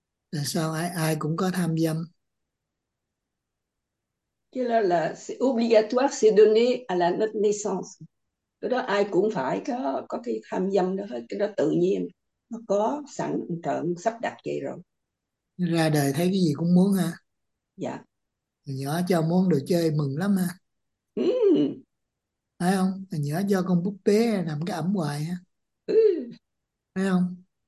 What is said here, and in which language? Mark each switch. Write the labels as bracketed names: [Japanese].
[Vietnamese] Tại sao ai ai cũng có tham dâm? [French] C'est obligatoire, c'est donné à la notre naissance. [Vietnamese] Cái đó ai cũng phải có cái tham dâm đó, cái đó tự nhiên. Nó có sẵn, trận sắp đặt vậy rồi. Ra đời thấy cái gì cũng muốn ha. Dạ. Nhỏ cho món đồ chơi mừng lắm ha. Thấy không? Mình nhớ cho con búp bê làm cái ẩm hoài ha. Thấy không?